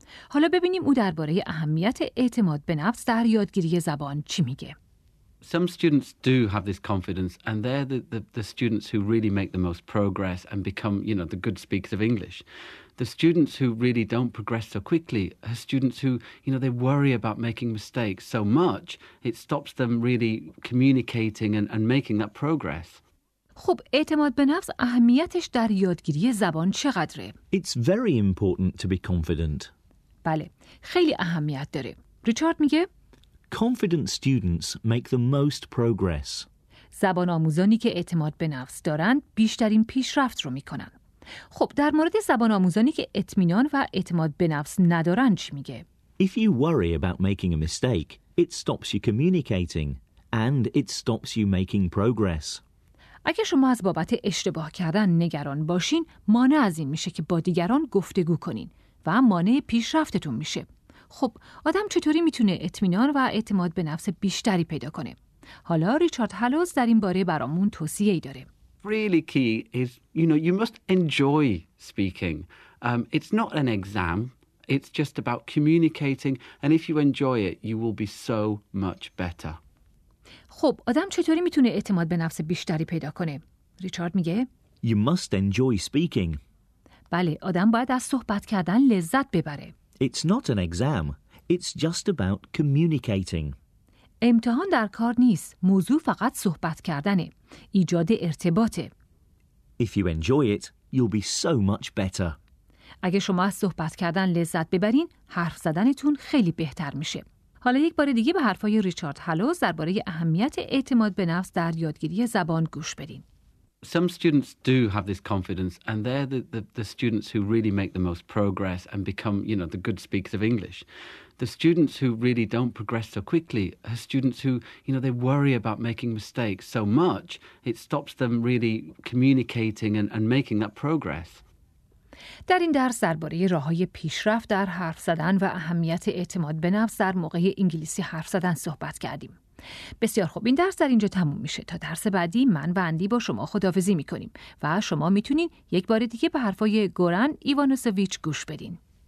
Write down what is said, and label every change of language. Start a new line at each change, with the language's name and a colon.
Persian: حالا ببینیم او درباره اهمیت اعتماد به نفس در یادگیری زبان چی میگه.
English: Some students do have this confidence and they're the students who really make the most progress and become, you know, the good speakers of English. The students who really don't progress so quickly are students who, you know, they worry about making mistakes so much, it stops them really communicating and making that progress.
Persian: خب اعتماد به نفس اهمیتش در یادگیری زبان چقدره؟
English: It's very important to be confident.
Persian: بله، خیلی اهمیت داره. ریچارد میگه
English: Confident students make the most progress.
Persian: زبان آموزانی که اعتماد به نفس دارن بیشترین پیشرفت رو میکنن. خب در مورد زبان آموزانی که اطمینان و اعتماد به نفس ندارن چی میگه؟
English: If you worry about making a mistake, it stops you communicating and it stops you making progress.
Persian: اگه شما از بابت اشتباه کردن نگران باشین، مانع از این میشه که با دیگران گفتگو کنین و مانع پیشرفتتون میشه. خب آدم چطوری میتونه اطمینان و اعتماد به نفس بیشتری پیدا کنه؟ حالا ریچارد هالوز در این باره برامون توصیه‌ای داره.
English: Really key is, you know, you must enjoy speaking. It's not an exam. It's just about communicating. And if you enjoy it, you will be so much better.
Persian: خب، آدم چطوری میتونه اعتماد به نفس بیشتری پیدا کنه؟ ریچارد میگه
English: You must enjoy speaking.
Persian: بله، آدم باید از صحبت کردن لذت ببره.
English: It's not an exam. It's just about communicating.
Persian: امتحان در کار نیست. موضوع فقط صحبت کردنه. ایجاد ارتباطه.
English: If you enjoy it, you'll be so much better.
Persian: اگه شما از صحبت کردن لذت ببرین، حرف زدنتون خیلی بهتر میشه. حالا یک بار دیگه به حرفای ریچارد هالوز درباره اهمیت اعتماد به نفس در یادگیری زبان گوش بدین.
English: Some students do have this confidence and they're the students who really make the most progress and become, you know, the good speakers of English. The students who really don't progress so quickly are students who, you know, they worry about making mistakes so much, it stops them really communicating and making that progress.
Persian: در این درس درباره راه‌های پیشرفت در حرف زدن و اهمیت اعتماد به نفس در موقع انگلیسی حرف زدن صحبت کردیم. بسیار خوب، این درس در اینجا تموم میشه. تا درس بعدی من و اندی با شما خداحافظی میکنیم و شما میتونین یک بار دیگه به حرفای گوران ایوانوسوویچ گوش بدین.